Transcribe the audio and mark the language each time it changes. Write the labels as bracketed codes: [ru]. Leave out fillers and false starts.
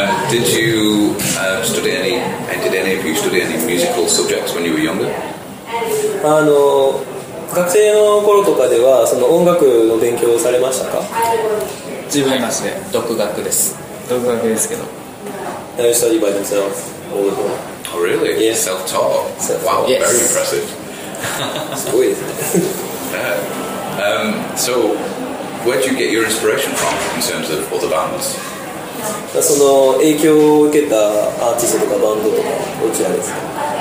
[en] Did you study any, and did any of you study any musical subjects when you were younger? [ja] 学生の頃とかではその音楽の勉強をされましたか？自分はですね、独学です。独学ですけど。 [en] And you study by themselves all the time? Oh really? Yes. Self-taught? Wow, yes. Very impressive. [ja] すごいですね。 [en] So, where do you get your inspiration from in terms of other bands? [ja] その影響を受けたアーティストとかバンドとかどちらですか？